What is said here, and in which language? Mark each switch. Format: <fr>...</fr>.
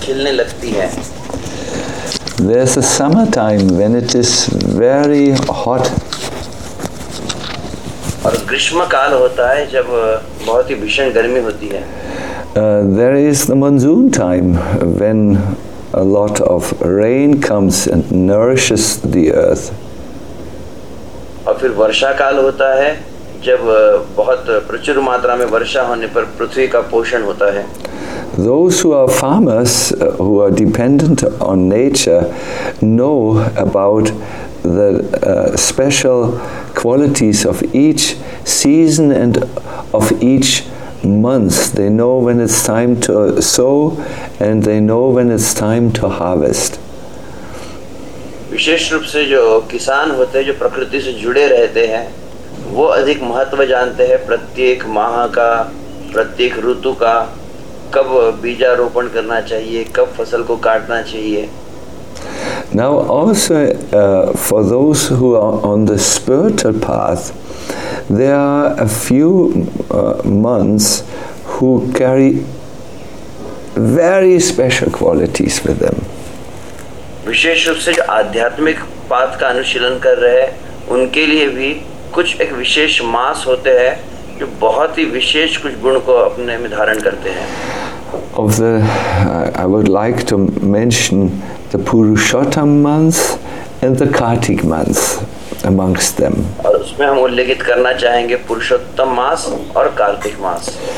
<en>There's a summer time when it is very hot. There is the monsoon time when a lot of rain comes and nourishes the earth.</en> <hi>और फिर वर्षा काल होता है जब बहुत प्रचुर मात्रा में वर्षा होने पर पृथ्वी का पोषण होता है।</hi> <en>Those who are farmers who are dependent on nature know about the special qualities of each season and of each month. They know when it's time to sow and they know when it's time to harvest.</en> <hi>विशेष रूप से जो किसान होते हैं जो प्रकृति से जुड़े रहते हैं वो अधिक महत्व जानते हैं प्रत्येक माह का प्रत्येक ऋतु का कब बीजारोपण करना चाहिए कब फसल को काटना चाहिए।</hi> <en>Now also for those who are on the spiritual path, there are a few months who carry very special qualities with them.</en> <hi>विशेष रूप से जो आध्यात्मिक पाठ का अनुशीलन कर रहे हैं उनके लिए भी कुछ एक विशेष मास होते हैं जो बहुत ही विशेष कुछ गुण को अपने में धारण करते हैं।</hi> <en>Of the, I would like to mention the Purushottam month and the Kartik month amongst them.</en> <hi>और उसमें हम उल्लेखित करना चाहेंगे पुरुषोत्तम मास और कार्तिक मास।</hi>